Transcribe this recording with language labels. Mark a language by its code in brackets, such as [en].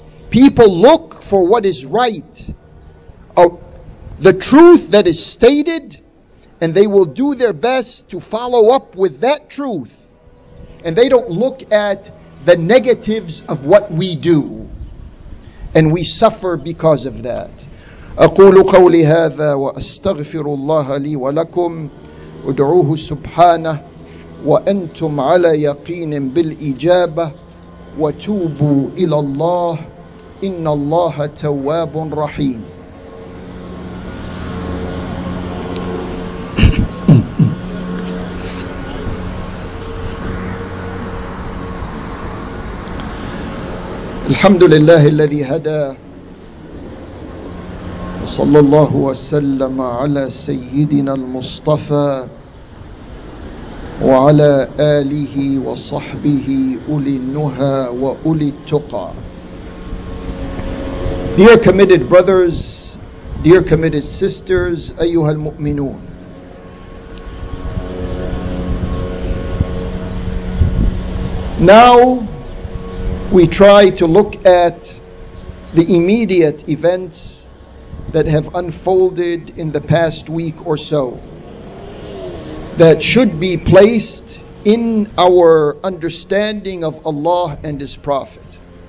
[en] People look for what is right, the truth that is stated, and they will do their best to follow up with that truth. And they don't look at the negatives of what we do, and we suffer because of that. [ar] أقول قولي هذا وأستغفر الله لي ولكم ودعوه سبحانه وأنتم على يقين بالإجابة وتوبوا إلى الله إن الله تواب رحيم. الحمد لله الذي هدى صلى الله وسلم على سيدنا المصطفى وعلى آله وصحبه أولي النهى وأولي التقى. [en] Dear committed brothers, dear committed sisters, [ar] أيها المؤمنون, [en] now we try to look at the immediate events that have unfolded in the past week or so, that should be placed in our understanding of Allah and His Prophet.